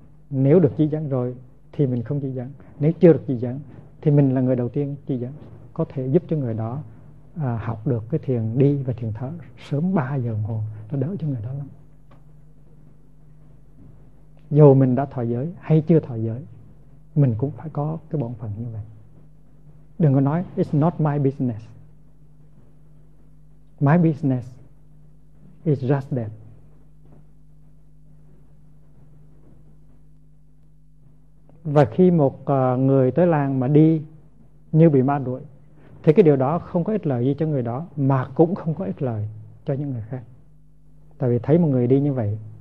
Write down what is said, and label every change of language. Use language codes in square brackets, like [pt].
[vi] Nếu được chỉ dẫn rồi thì mình không chỉ dẫn, nếu chưa được chỉ dẫn thì mình là người đầu tiên chỉ dẫn, có thể giúp cho người đó học được cái thiền đi và thiền thở sớm 3 giờ đồng hồ, nó đỡ cho người đó lắm. Dù mình đã thọ giới hay chưa thọ giới, mình cũng phải có cái bổn phận như vậy. Đừng có nói [en] it's not my business. My business is just that. [vi] Và khi một người tới làng mà đi như bị ma đuổi thì cái điều đó không có ích lợi gì cho người đó, mà cũng không có ích lợi cho những người khác. Tại vì thấy một người đi như vậy